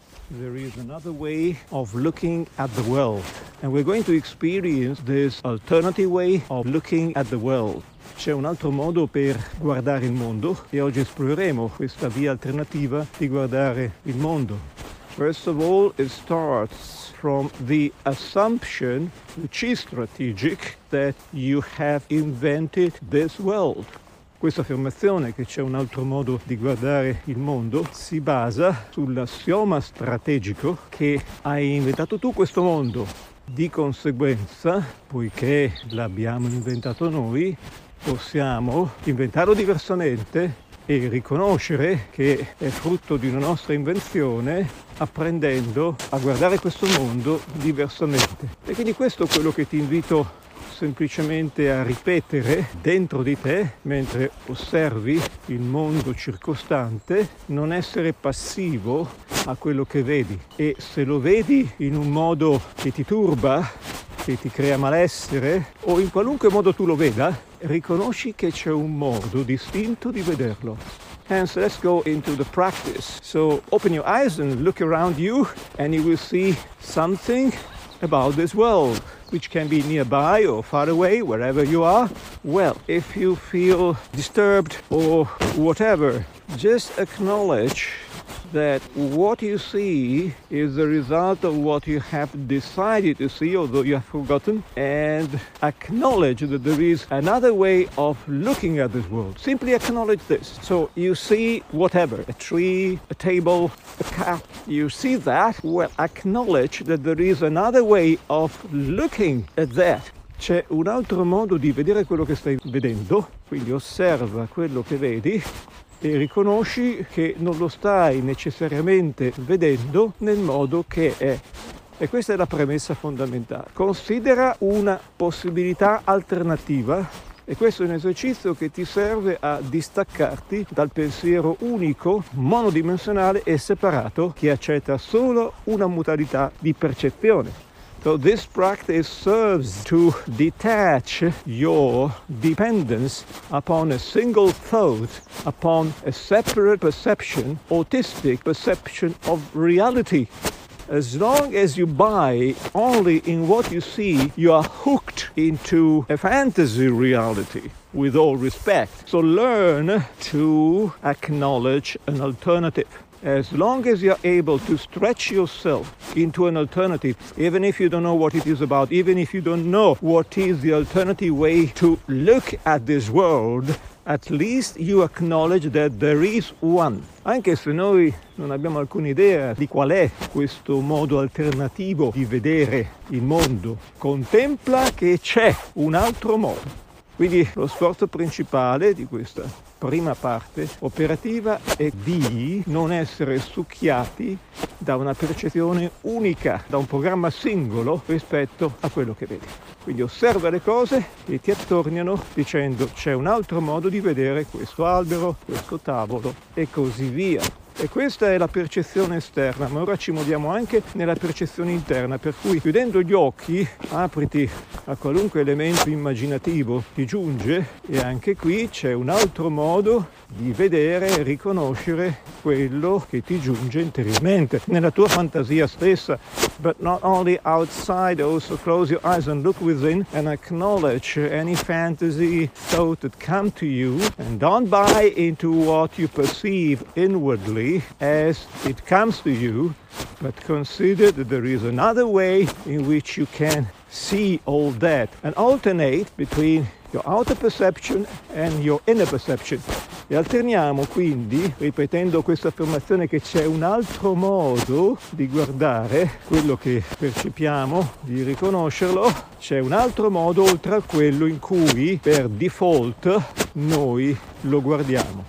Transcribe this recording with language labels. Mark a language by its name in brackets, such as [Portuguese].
[English] There is another way of looking at the world, and we're going to experience this alternative way of looking at the world. [Italian] C'è un altro modo per guardare il mondo e oggi esploreremo questa via alternativa di guardare il mondo. [English] First of all, it starts from the assumption, which is strategic, that you have invented this world. [Italian] Questa affermazione che c'è un altro modo di guardare il mondo si basa sull'assioma strategico che hai inventato tu questo mondo. Di conseguenza, poiché l'abbiamo inventato noi, possiamo inventarlo diversamente e riconoscere che è frutto di una nostra invenzione apprendendo a guardare questo mondo diversamente. E quindi questo è quello che ti invito semplicemente a ripetere dentro di te mentre osservi il mondo circostante: non essere passivo a quello che vedi, e se lo vedi in un modo che ti turba, che ti crea malessere, o in qualunque modo tu lo veda, riconosci che c'è un modo distinto di vederlo. [English] Hence, let's go into the practice. So open your eyes and look around you, and you will see something about this world, which can be nearby or far away, wherever you are. Well, if you feel disturbed or whatever, just acknowledge that what you see is the result of what you have decided to see, although you have forgotten, and acknowledge that there is another way of looking at this world. Simply acknowledge this. So you see whatever, a tree, a table, a cat, you see that. Well, acknowledge that there is another way of looking at that. [Italian] C'è un altro modo di vedere quello che stai vedendo, quindi osserva quello che vedi, e riconosci che non lo stai necessariamente vedendo nel modo che è. E questa è la premessa fondamentale. Considera una possibilità alternativa, e questo è un esercizio che ti serve a distaccarti dal pensiero unico, monodimensionale e separato, che accetta solo una modalità di percezione. [English] So this practice serves to detach your dependence upon a single thought, upon a separate perception, autistic perception of reality. As long as you buy only in what you see, you are hooked into a fantasy reality, with all respect. So learn to acknowledge an alternative. As long as you're able to stretch yourself into an alternative, even if you don't know what it is about, even if you don't know what is the alternative way to look at this world, at least you acknowledge that there is one. [Italian] Anche se noi non abbiamo alcuna idea di qual è questo modo alternativo di vedere il mondo, contempla che c'è un altro modo. Quindi lo sforzo principale di questa prima parte operativa è di non essere succhiati da una percezione unica, da un programma singolo rispetto a quello che vedi. Quindi osserva le cose che ti attorniano dicendo: c'è un altro modo di vedere questo albero, questo tavolo e così via. E questa è la percezione esterna, ma ora ci muoviamo anche nella percezione interna, per cui chiudendo gli occhi apriti a qualunque elemento immaginativo ti giunge, e anche qui c'è un altro modo di vedere e riconoscere quello che ti giunge interiormente, nella tua fantasia stessa. [English] But not only outside, also close your eyes and look within and acknowledge any fantasy thought that come to you, and don't buy into what you perceive inwardly as it comes to you, but consider that there is another way in which you can see all that, and alternate between your outer perception and your inner perception. [Italian] E alterniamo quindi, ripetendo questa affermazione, che c'è un altro modo di guardare quello che percepiamo, di riconoscerlo. C'è un altro modo oltre a quello in cui per default noi lo guardiamo.